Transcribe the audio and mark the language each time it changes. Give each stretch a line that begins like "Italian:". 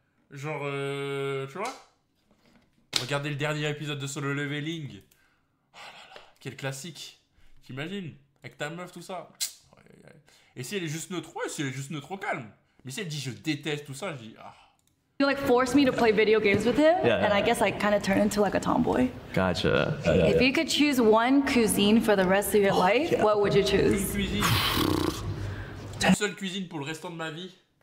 French: Genre, tu vois? Regardez le dernier épisode de Solo Leveling. Oh là là, quel classique. T'imagines? Avec ta meuf, tout ça. Et si elle est juste neutre, ouais, si elle est juste neutre au calme. Mais si elle dit, je déteste tout ça, je dis, ah.
English: You like force me to play video games with him, yeah. And I guess I kind of turn into like a tomboy. Gotcha. If you could choose one cuisine for the rest of your life, what would you choose?
French: Une cuisine. Une seule cuisine pour le restant de ma vie.